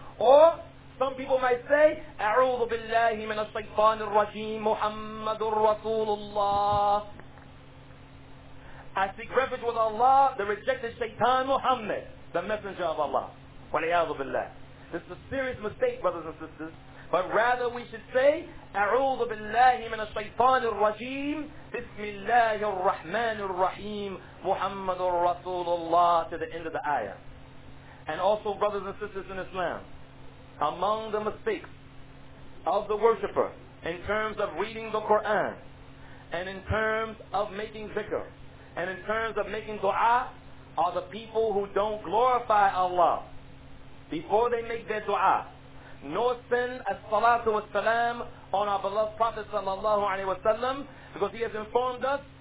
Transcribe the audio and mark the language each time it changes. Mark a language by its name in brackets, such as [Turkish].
[Arabic] Or, some people might say, أعوذ بالله من الشيطان الرجيم محمد رسول الله. [English] I seek refuge with Allah, the rejected shaitan Muhammad, the messenger of Allah. [Arabic] وَلِيَعْذُ بِاللَّهِ. [English] This is a serious mistake, brothers and sisters. [Arabic] But rather we should say, أعوذ بالله من الشيطان الرجيم بسم الله الرحمن الرحيم محمد رسول الله, to the end of the ayah. [English] And also, brothers and sisters in Islam, among the mistakes of the worshipper in terms of reading the Quran and in terms of making zikr and in terms of making dua are the people who don't glorify Allah before they make their dua, nor send as-salatu was-salam on our beloved Prophet sallallahu alayhi wa sallam, because he has informed us,